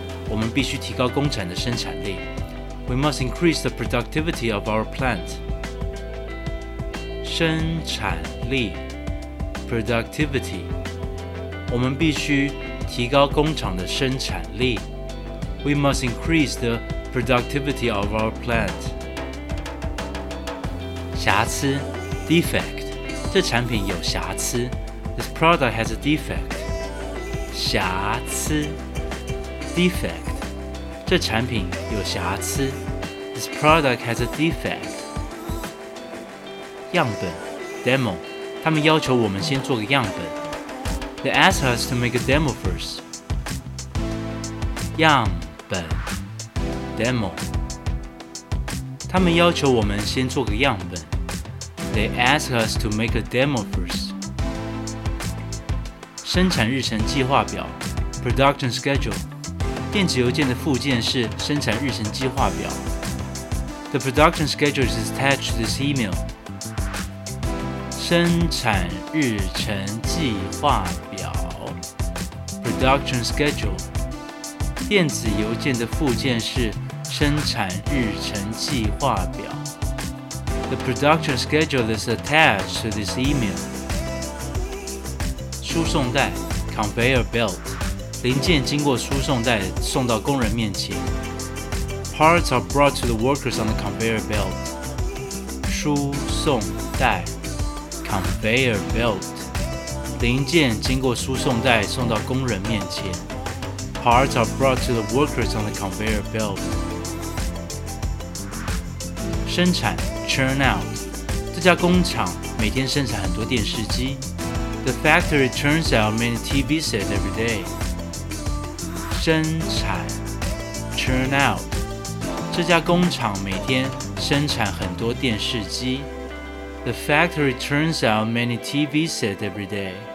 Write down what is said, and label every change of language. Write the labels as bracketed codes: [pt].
[zh] 我们必须提高工厂的生产力。 [en] We must increase the productivity of our plant. [zh] 生产力 [en] Productivity. [zh] 我们必须提高工厂的生产力。 [en] We must increase the productivity of our plant. [zh] 瑕疵 [en] Defect. [zh] 这产品有瑕疵。 [en] This product has a defect. [zh] 瑕疵 [en] Defect. [zh] 这产品有瑕疵。 [en] This product has a defect. [zh] 样本 [en] Demo. [zh] 他们要求我们先做个样本。 [en] They ask us to make a demo first. [zh] 样本 [en] Demo. [zh] 他们要求我们先做个样本。 [en] They ask us to make a demo first. [zh] 生产日程计划表 [en] Production schedule. [zh] 电子邮件的附件是生产日程计划表。 [en] The production schedule is attached to this email. [zh] 生产日程计划表。 [en] Production schedule. [zh] 电子邮件的附件是生产日程计划表。 [en] The production schedule is attached to this email. [zh] 输送带 [en] Conveyor belt. [zh] 零件经过输送带送到工人面前。 [en] Parts are brought to the workers on the conveyor belt. [zh] 输送带 [en] Conveyor belt. [zh] 零件经过输送带送到工人面前。 [en] Parts are brought to the workers on the conveyor belt. [zh] 生产 [en] Churn out. [zh] 这家工厂每天生产很多电视机。 [en] The factory turns out many TV sets every day. [zh] 生产 [en] Churn out [zh] 这家工厂每天生产很多电视机 [en] The factory turns out many TV sets every day